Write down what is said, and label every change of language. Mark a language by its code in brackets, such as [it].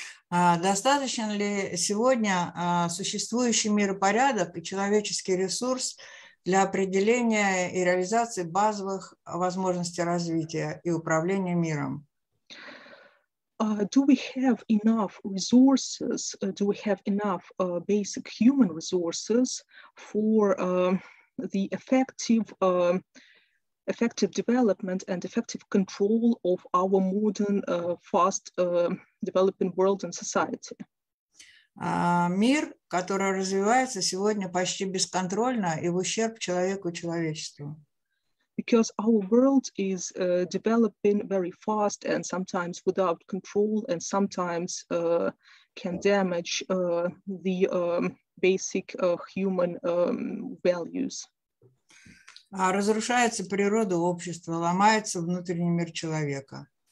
[ru] Достаточно ли сегодня существующий миропорядок и человеческий ресурс для определения и реализации базовых возможностей развития и управления миром? [en] Do we have enough resources, do we have enough basic human resources for the effective development and effective control of our modern, fast developing world and society? [ru] Мир, который развивается сегодня почти бесконтрольно и в ущерб человеку и человечеству. [en] Because our world is developing very fast and sometimes without control and sometimes can damage the basic human values. [ru] Разрушается природа общества, ломается внутренний мир человека.